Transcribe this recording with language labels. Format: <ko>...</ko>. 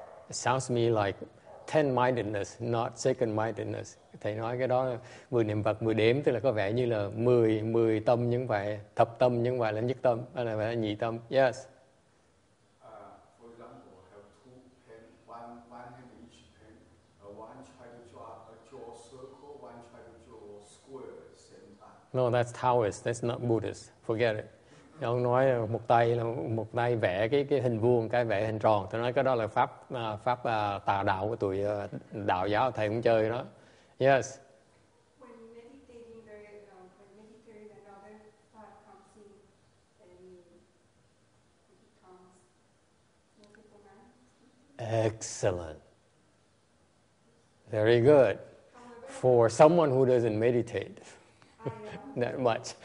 <en>It sounds to me like ten-mindedness, not second-mindedness.</en> <vi>Thầy nói cái đó vừa niệm Phật vừa đếm, tức là có vẻ như là mười tâm như vậy, thập tâm như vậy là nhất tâm, hay là nhị tâm.</vi> <en>Yes. For example, I have two pen, one hand each pen, one try to draw a circle, one try to draw a square at the same time. No, that's Taoist. That's not Buddhist. Forget it.</en> <vi>Ông nói một tay vẽ cái hình vuông, cái vẽ hình tròn. Tôi nói cái đó là pháp tà đạo của tụi đạo giáo, thầy cũng chơi đó.</vi> <en>Yes. When meditating, another thought comes in, then it becomes multiple minds. Excellent. Very good. For someone who doesn't meditate. Not much.</en>